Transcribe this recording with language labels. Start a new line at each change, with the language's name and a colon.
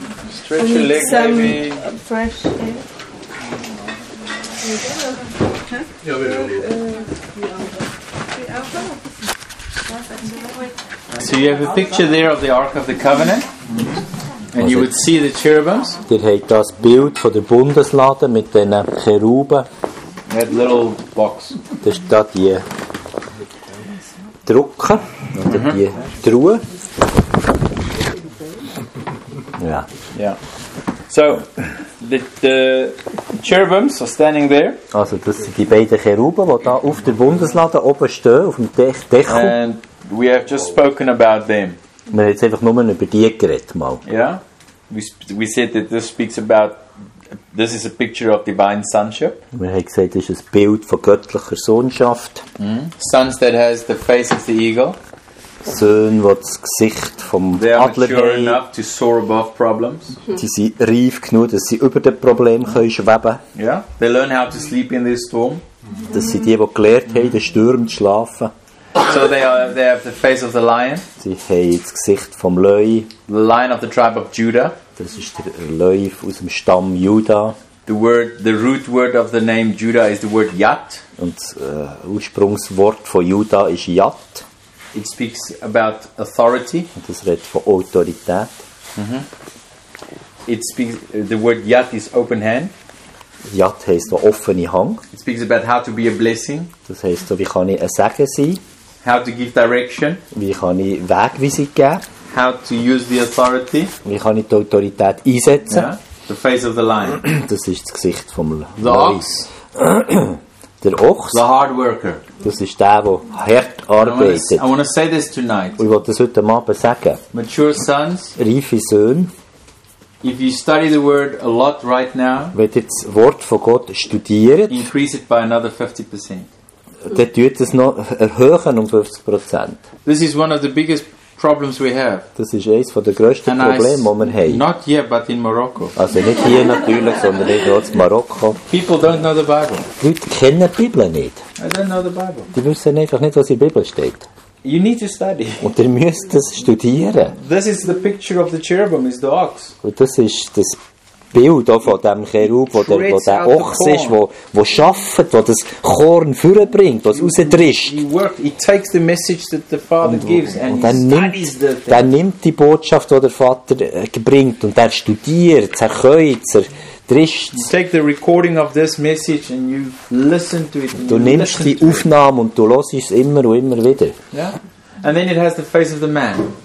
English: Stretch your leg, maybe. Fresh air. So you have a picture there of the Ark of the Covenant. And you would see the cherubims.
German: Ihr habt das Bild von der Bundeslade mit den Cheruben.
English: That little box.
German: Das ist da die Drucker oder die Truhe. Ja.
English: Yeah. So, the cherubims are standing there.
German: Also das sind die beiden Cheruben, die da auf der Bundeslade oben stehen, auf dem Deckel.
English: And we have just spoken about them.
German: Wir haben jetzt einfach nur über die geredet mal.
English: Yeah. We said that this speaks about this is a picture of divine sonship.
German: Wir haben gesagt, das ist ein Bild von göttlicher Sohnschaft. Mm-hmm.
English: Sons that has the face of the eagle.
German: Söhne, die das Gesicht vom
English: they are
German: Adler
English: mature
German: haben.
English: Enough to soar above problems.
German: Die sind reif genug, dass sie über den Problemen schweben können.
English: Yeah. They learn how to sleep in this storm.
German: Dass sie die gelernt haben, in den Stürmen zu schlafen.
English: So they have the face of the lion.
German: Sie haben das Gesicht vom Löwe.
English: The lion of the tribe of Judah.
German: Das ist der Löwe aus dem Stamm Juda.
English: The root word of the name Judah is the word Yat.
German: Und das Ursprungswort von Juda ist Yat.
English: It speaks about authority.
German: Und das redet von Autorität. Mm-hmm.
English: It speaks the word Yat is open hand.
German: Yat heißt offene Hand.
English: It speaks about how to be a blessing.
German: Das heißt, wie kann ich ein Segen sein?
English: How to give direction?
German: Wie kann ich Wegweisung geben?
English: How to use the authority?
German: Wie kann ich die Autorität einsetzen?
English: Yeah. The face of the lion.
German: Das ist das Gesicht vom
English: the ox.
German: Der Ochs.
English: The hard worker.
German: Das ist der, wo hart arbeitet.
English: I want to say this tonight.
German: Ich will das heute Abend sagen.
English: Mature sons.
German: Reife Söhne.
English: If you study the word a lot right now.
German: Wenn ihr das Wort von Gott studiert.
English: Increase it by another 50%.
German: Der tut es noch erhöhen um 50%.
English: This is one of the biggest problems we have.
German: Das ist eins von der grössten Probleme, die wir haben.
English: Not here, but in Morocco.
German: Also nicht hier natürlich, sondern hier in Marokko.
English: People don't know the Bible.
German: Die Leute kennen die Bibel nicht.
English: I don't know the Bible.
German: Die wissen einfach nicht, was in der Bibel steht.
English: You need to study.
German: Und ihr müsst das studieren.
English: This is the picture of the cherubim, is the ox.
German: Und das ist das Bild von dem Cherub, wo der Ochs ist, wo schafft, wo das Korn vorbringt, was rausdrischt. Und er nimmt die Botschaft, die der Vater bringt, und er studiert, zerkäut, zerdrischt.
English: You take the recording of this message and you listen to it.
German: Du nimmst die Aufnahme und du hörst es immer und immer wieder.
English: Yeah. And then it has the face of the man.